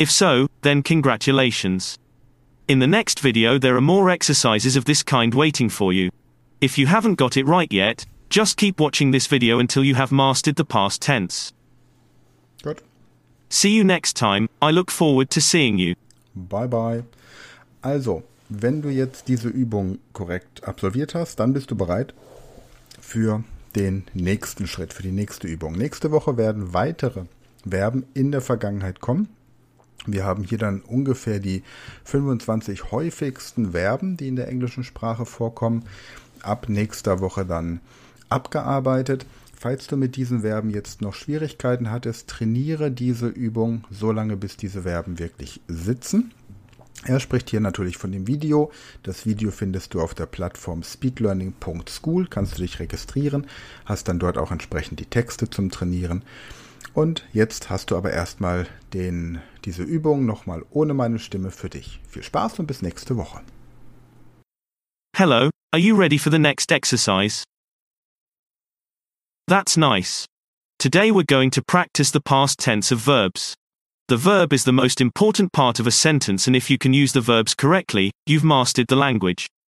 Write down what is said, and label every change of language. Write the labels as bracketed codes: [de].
[en] If so, then congratulations. In the next video, there are more exercises of this kind waiting for you. If you haven't got it right yet, just keep watching this video until you have mastered the past tense. Good. See you next time. I look forward to seeing you. Bye bye. [de] Also, wenn du jetzt diese Übung korrekt absolviert hast, dann bist du bereit für den nächsten Schritt, für die nächste Übung. Nächste Woche werden weitere Verben in der Vergangenheit kommen. Wir haben hier dann ungefähr die 25 häufigsten Verben, die in der englischen Sprache vorkommen. Ab nächster Woche dann abgearbeitet. Falls du mit diesen Verben jetzt noch Schwierigkeiten hattest, trainiere diese Übung so lange, bis diese Verben wirklich sitzen. Er spricht hier natürlich von dem Video. Das Video findest du auf der Plattform speedlearning.school. Kannst du dich registrieren, hast dann dort auch entsprechend die Texte zum Trainieren. Und jetzt hast du aber erstmal diese Übung nochmal ohne meine Stimme für dich. Viel Spaß und bis nächste Woche. [en] Hello, are you ready for the next exercise? That's nice. Today we're going to practice the past tense of verbs. The verb is the most important part of a sentence, and if you can use the verbs correctly, you've mastered the language.